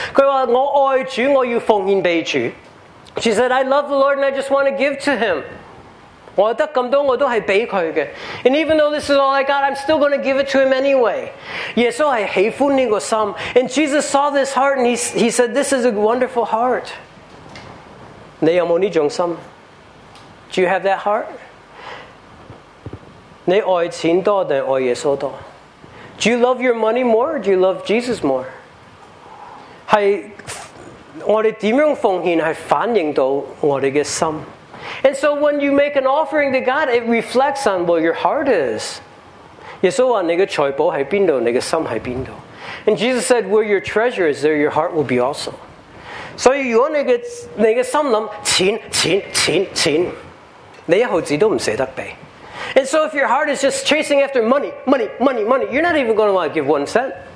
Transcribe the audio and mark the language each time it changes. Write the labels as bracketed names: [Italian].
[Cantonese] 佢话我爱主，我要奉献俾主。 [English] She said, "I love the Lord and I just want to give to Him." [Cantonese] 我得咁多，我都系俾佢嘅。 [English] And even though this is all I got, I'm still going to give it to Him anyway。 [Cantonese] 耶稣系喜欢呢个心 [English] ，and Jesus saw this heart and he said, "This is a wonderful heart." [Cantonese] 你有冇呢种心？ [English] Do you have that heart? [Cantonese] 你爱钱多定爱耶稣多？ [English] Do you love your money more? Or do you love Jesus more? [Cantonese] 系我哋点样奉献，系反映到我哋嘅心。 [English] And so when you make an offering to God, it reflects on where your heart is. [Cantonese] 耶稣话你嘅财宝喺边度，你嘅心喺边度。 [English] And Jesus said, where your treasure is, there your heart will be also. [Cantonese] 所以如果你嘅心谂钱钱钱钱，你一毫子都唔舍得俾。 [English] And so if your heart is just chasing after money, money, money, money, you're not even going to want to give 1 cent.